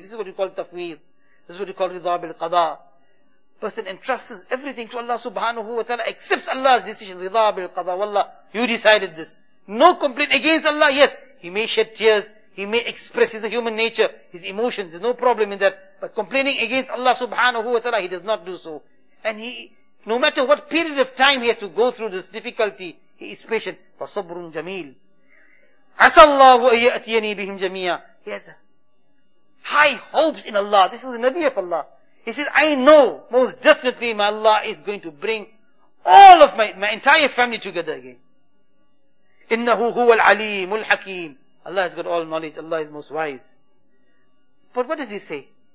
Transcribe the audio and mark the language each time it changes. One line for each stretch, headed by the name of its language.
English: This is what you call tafweer. This is what you call ridha bil qada. Person entrusts everything to Allah subhanahu wa ta'ala, accepts Allah's decision, ridha bil qada, wallah, you decided this. No complaint against Allah, yes, he may shed tears, he may express his human nature, his emotions, there's no problem in that. But complaining against Allah subhanahu wa ta'ala, he does not do so. And he, no matter what period of time he has to go through this difficulty, he is patient.
Arabic: وَصَبْرٌ جَمِيلٌ عَسَى اللَّهُ أَيَّأْتِيَنِي بِهِمْ جَمِيعًا.
English: He has high hopes in Allah, this is the Nabi of Allah. He says, I know most definitely my Allah is going to bring all of my entire family together again.
Arabic: إِنَّهُ هُوَ الْعَلِيمُ الْحَكِيمُ.
English: Allah has got all knowledge. Allah is most wise. But what does he say?